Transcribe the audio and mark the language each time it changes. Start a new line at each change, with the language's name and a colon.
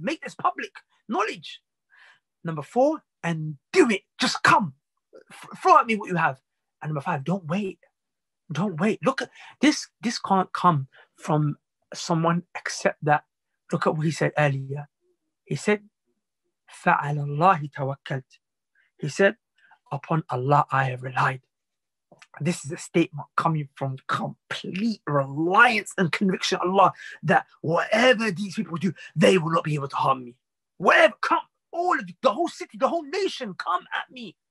English: Make this public knowledge. Number four, and do it. Just come. Throw at me what you have. And number five, don't wait. Don't wait. Look, this can't come from someone except that. Look at what he said earlier. He said,
Arabic: فَعَلَى اللَّهِ تَوَكَّلْتُ.
English: He said, upon Allah I have relied. This is a statement coming from complete reliance and conviction on Allah that whatever these people do, they will not be able to harm me. Whatever, come, all of you, the whole city, the whole nation, come at me.